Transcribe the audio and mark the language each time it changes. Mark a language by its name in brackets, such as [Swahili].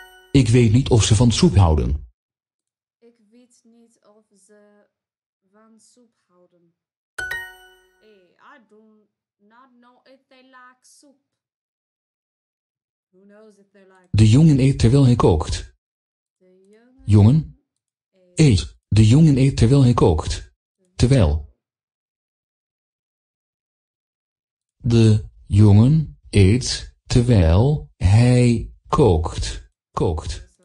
[Dutch] Ik weet niet of ze van soep houden. Ik weet niet of ze van soep houden. [English] I do not know if they like soup. Who knows if they like. [Dutch] De jongen eet terwijl hij kookt. De jongen eet. De jongen eet terwijl hij kookt. Terwijl. De jongen eet terwijl hij kookt. Kookt.